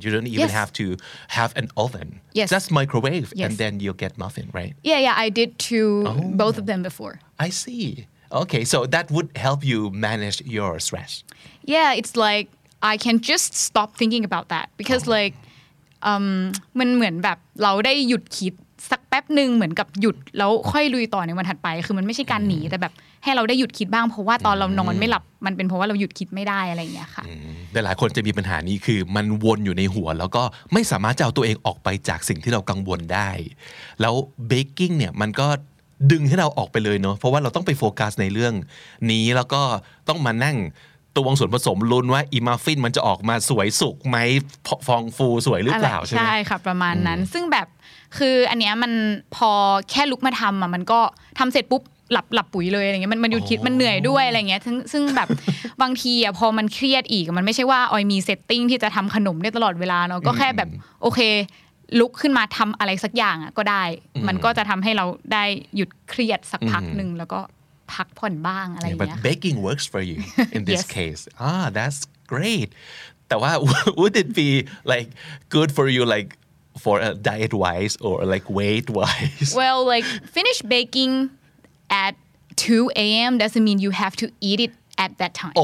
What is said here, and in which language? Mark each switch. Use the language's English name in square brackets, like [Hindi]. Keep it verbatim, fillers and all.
[English] You don't even yes. have to have an oven. Yes. Just microwave yes. and then you'll get muffin, right? Yeah, yeah. I did too, oh. both of them before. I see. Okay. So that would help you manage your stress. Yeah. It's like I can just stop thinking about that because oh. [Thai] like um, มันเหมือนแบบเราได้หยุดคิดสักแป๊บนึงเหมือนกับหยุดแล้วค่อยลุยต่อในวันถัดไปคือมันไม่ใช่การหนีแต่แบบให้เราได้หยุดคิดบ้างเพราะว่าตอนเรานอนไม่หลับมันเป็นเพราะว่าเราหยุดคิดไม่ได้อะไรอย่างเงี้ยค่ะ แต่หลายคนจะมีปัญหานี้คือมันวนอยู่ในหัวแล้วก็ไม่สามารถจะเอาตัวเองออกไปจากสิ่งที่เรากังวลได้แล้วเบกกิ้งเนี่ยมันก็ดึงให้เราออกไปเลยเนาะเพราะว่าเราต้องไปโฟกัสในเรื่องนี้แล้วก็ต้องมานั่งตวงส่วนผสมลุ้นว่าอีมัฟฟินมันจะออกมาสวยสุกไหมฟองฟูสวยหรือเปล่าใช่ไหม ใช่ค่ะประมาณนั้นซึ่งแบบคืออันเนี้ยมันพอแค่ลุกมาทำอ่ะมันก็ทำเสร็จปุ๊บ หลับหลับปุ๋ยเลยอะไรเงี้ยมันมันหยุดคิดมันเหนื่อยด้วยอะไรเงี้ยซึ่งซึ่งแบบบางทีอ่ะพอมันเครียดอีกมันไม่ใช่ว่าออยมีเซตติ้งที่จะทำขนมได้ตลอดเวลาเนาะก็แค่แบบโอเคลุกขึ้นมาทำอะไรสักอย่างอ่ะก็ได้มันก็จะทำให้เราได้หยุดเครียดสักพักนึงแล้วก็พักผ่อนบ้างอะไรอย่างเงี้ย [English] But baking works for you in this yes. case. Ah, that's great. แต่ว่า would it be like good for you like for a diet wise or like weight wise? Well, like finish baking at two a.m. doesn't mean you have to eat it at that time.